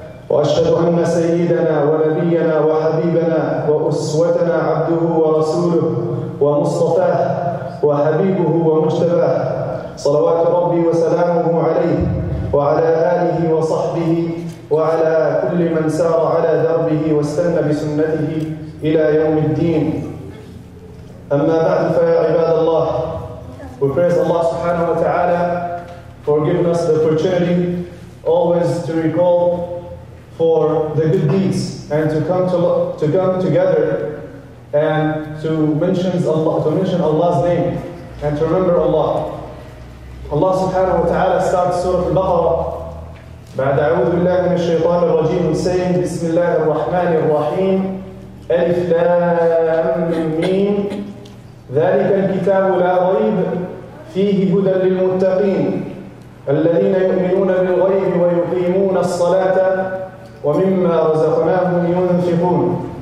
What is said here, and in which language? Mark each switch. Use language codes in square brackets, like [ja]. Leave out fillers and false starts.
[ar] وأشهد أن سيدنا ونبينا وحبيبنا وأسوتنا عبده ورسوله ومصطفاه وحبيبه ومجتباه، صلوات ربي وسلامه عليه وعلى آله وصحبه وعلى كل من سار على دربه واستنى بسنته إلى يوم الدين. أما بعد، فيا عباد الله، [en] we praise Allah سبحانه وتعالى for giving us the opportunity always to recall for the good deeds and to come together and to mention Allah's name and to remember Allah. Allah subhanahu wa ta'ala starts Surah Al-Baqarah [ar] بعد أعوذ بالله من الشيطان الرجيم saying بسم الله الرحمن الرحيم ألف لام ميم ذلك الكتاب لا ريب فيه هدى للمتقين الذين يؤمنون بالغيب ويقيمون الصلاة ومما رزقناهم ينفقون.